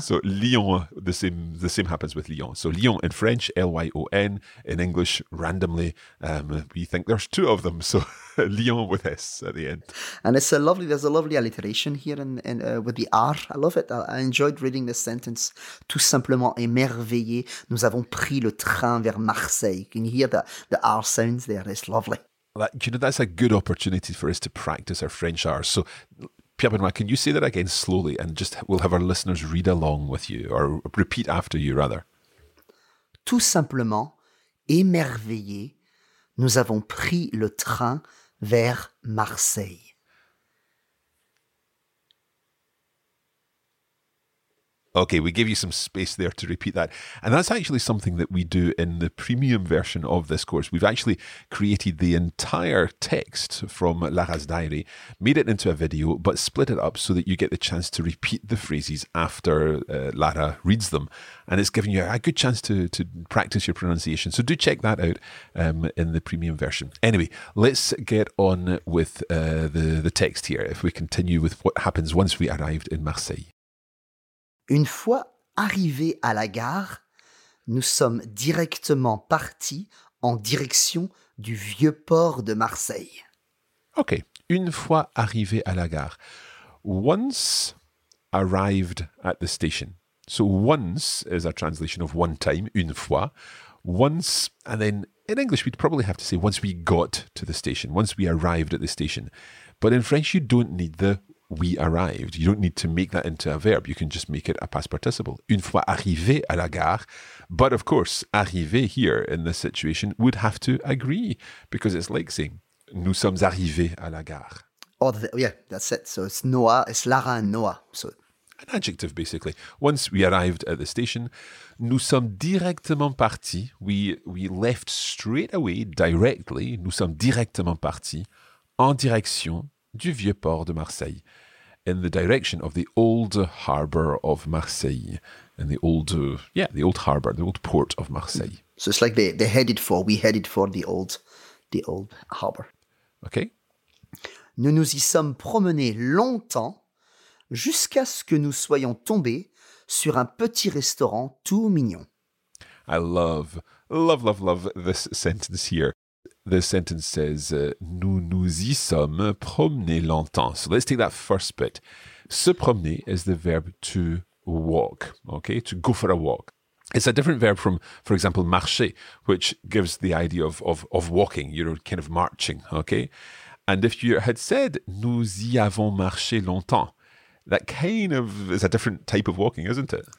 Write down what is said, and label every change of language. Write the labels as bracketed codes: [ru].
[en] So Lyon, the same happens with Lyon. So Lyon in French, L-Y-O-N, in English, randomly, we think there's two of them. So Lyon with S at the end. And it's a lovely, there's a lovely alliteration here in with the R. I love it. I enjoyed reading this sentence. [fr] Tout simplement émerveillé, nous avons pris le train vers Marseille. [en] Can you hear the R sounds there? It's lovely. You know, that's a good opportunity for us to practice our French R. So, Pierre Benoit, can you say that again slowly and just we'll have our listeners read along with you or repeat after you, rather. [fr] Tout simplement, émerveillé, nous avons pris le train vers Marseille. [en] Okay, we gave you some space there to repeat that. And that's actually something that we do in the premium version of this course. We've actually created the entire text from Lara's diary, made it into a video, but split it up so that you get the chance to repeat the phrases after Lara reads them. And it's given you a good chance to practice your pronunciation. So do check that out in the premium version. Anyway, let's get on with the text here. If we continue with what happens once we arrived in Marseille. [fr] Une fois arrivés à la gare, nous sommes directement partis en direction du vieux port de Marseille. Ok, une fois arrivés à la gare. [en] Once arrived at the station. So once is a translation of one time, une fois. Once, and then in English we'd probably have to say once we got to the station, once we arrived at the station. But in French you don't need the we arrived. You don't need to make that into a verb. You can just make it a past participle. [fr] Une fois arrivé à la gare. [en] But of course, arrivé here in this situation would have to agree because it's like saying, nous sommes arrivés à la gare. Oh, yeah, that's it. So it's Noah, it's Lara and Noah. So an adjective, basically. Once we arrived at the station, nous sommes directement partis. We left straight away, directly. Nous sommes directement partis en direction du vieux port de Marseille, in the direction of the old harbour of Marseille, and the old, the old harbour, the old port of Marseille. So it's like we headed for the old harbour. Okay. [fr] Nous nous y sommes promenés longtemps jusqu'à ce que nous soyons tombés sur un petit restaurant tout mignon. [en] I love this sentence here. [fr] The sentence says, nous nous y sommes promenés longtemps. [en] So let's take that first bit. Se promener is the verb to walk, okay? To go for a walk. It's a different verb from, for example, marcher, which gives the idea of walking. You're kind of marching, okay? And if you had said, nous y avons marché longtemps, that kind of is a different type of walking, isn't it?